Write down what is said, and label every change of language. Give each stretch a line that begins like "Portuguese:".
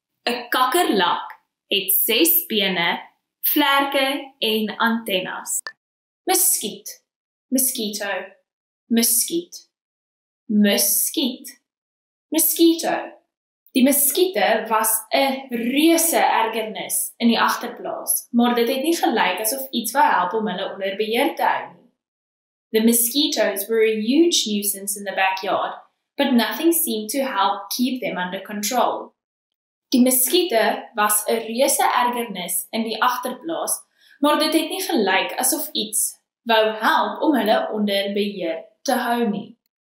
Afrikaans: 'N kakkerlak het 6 bene, vlerke en antennes. Muskiet. Mosquito. Muskiet. Muskiet. Mosquito. Die muskiete was 'n reuse ergernis in die agterplaas, maar dit het nie gelyk asof iets wou help om hulle onder beheer te hou nie.
English: The mosquitoes were a huge nuisance in the backyard, but nothing seemed to help keep them under control.
Afrikaans: Die muskiete was 'n reuse ergernis in die agterplaas, maar dit het nie gelyk asof iets wou help om hulle onder beheer te hou nie.